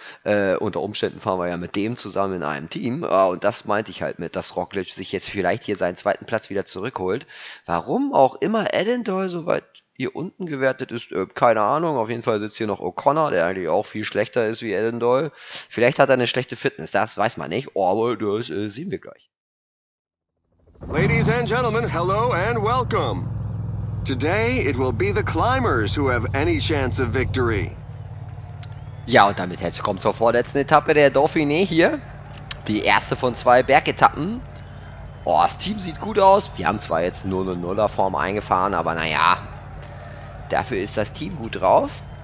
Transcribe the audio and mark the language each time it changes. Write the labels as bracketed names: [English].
[German] Unter Umständen fahren wir ja mit dem zusammen in einem Team. Und das meinte ich halt mit, dass Roglic sich jetzt vielleicht hier seinen zweiten Platz wieder zurückholt. Warum auch immer Allendale so weit hier unten gewertet ist, keine Ahnung. Auf jeden Fall sitzt hier noch O'Connor, der eigentlich auch viel schlechter ist wie Allendale. Vielleicht hat er eine schlechte Fitness, das weiß man nicht. Aber das sehen wir gleich. [English] Ladies and Gentlemen, hello and welcome. Today it will be the climbers who have any chance of victory. [German] Ja, und damit herzlich willkommen zur vorletzten Etappe der Dauphiné hier. Die erste von zwei Bergetappen. Oh, das Team sieht gut aus. Wir haben zwar jetzt 0-0er Form eingefahren, aber naja, dafür ist das Team gut drauf.